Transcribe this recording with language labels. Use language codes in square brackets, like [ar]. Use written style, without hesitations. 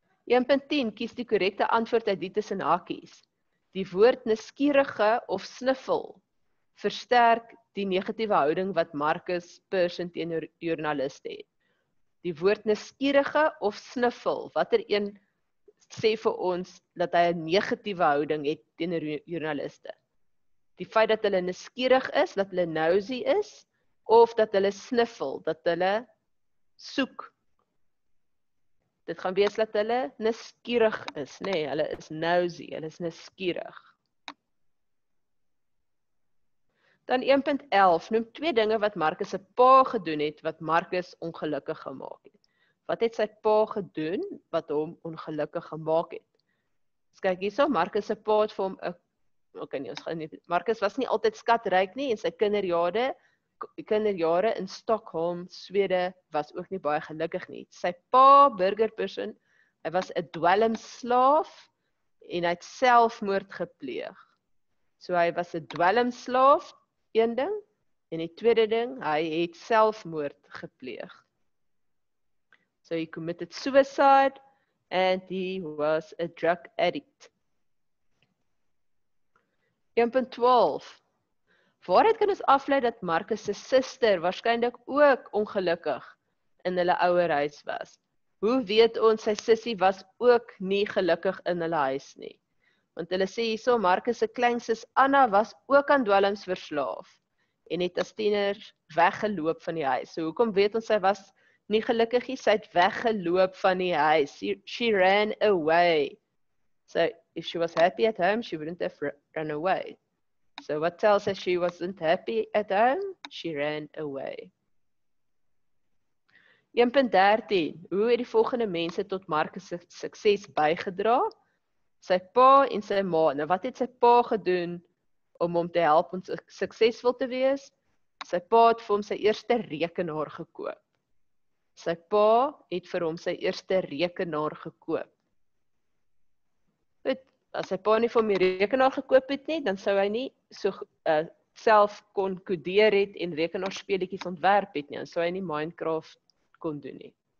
[af] 1.10, kies die korrekte antwoord uit die tussen hakies. Die woord nuuskierige of sniffel versterk die negatiewe houding wat Marcus Persson teenoor joernaliste het. Die woord nuuskierige of sniffel, watter een sê vir ons dat hy 'n negatiewe houding het teenoor joernaliste. Die feit dat hulle nuuskierig is, dat hulle nosy is, of dat hulle sniffel, dat hulle soek. Dit gaan wees dat hulle nuuskierig is, nee, hulle is nosy, hulle is nuuskierig. Dan 1.11, noem twee dinge wat Marcus se pa gedoen het, wat Marcus ongelukkig gemaak het. Wat het sy pa gedoen wat hom ongelukkig gemaak het? Ons kyk hierso, Marcus se pa het vir hom 'n Marcus was nie altyd skatryk nie en sy kinderjare in Stockholm, Swede was ook nie baie gelukkig nie. Sy pa, Burger Person, hy was 'n dwelmslaaf en hy het selfmoord gepleeg. So hy was 'n dwelmslaaf, een ding, en die tweede ding, hy het selfmoord gepleeg. [en] So he committed suicide and he was a drug addict. [af] 1.12. Waaruit kan ons aflei dat Marcus se suster waarskynlik ook ongelukkig in hulle ouer huis was? Hoe weet ons sy sissie was ook nie gelukkig in hulle huis nie? Want hulle sê hierso Marcus se kleinsus Anna was ook aan dwelms verslaaf en het as tiener weggeloop van die huis. So hoekom weet ons sy was nie gelukkig nie, sy het weggeloop van die huis. [en] She ran away. So, if she was happy at home, she wouldn't have run away. So, what tells us she wasn't happy at home? She ran away. [af] 1.13. Hoe het die volgende mense tot Marcus se sukses bygedra? Sy pa en sy ma. Nou, wat het sy pa gedoen om hom te help om suksesvol te wees? Sy pa het vir hom sy eerste rekenaar gekoop. Sy pa het vir hom sy eerste rekenaar gekoop. Goed, as sy pa nie vir hom die rekenaar gekoop het nie, dan sou hy nie so self kon kodeer het en rekenaarspeletjies ontwerp het nie, en sou hy nie Minecraft kon doen nie.